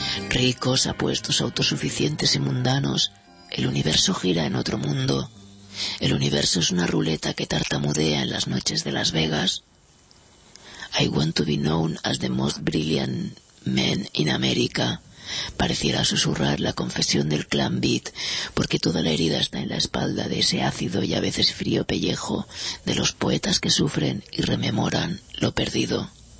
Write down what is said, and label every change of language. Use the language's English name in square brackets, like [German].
[Spanish] Ricos, apuestos, autosuficientes y mundanos, el universo gira en otro mundo. El universo es una ruleta que tartamudea en las noches de Las Vegas. [English] I want to be known as the most brilliant man in America. [Spanish] Pareciera susurrar la confesión del clan Beat, porque toda la herida está en la espalda de ese ácido y a veces frío pellejo de los poetas que sufren y rememoran lo perdido.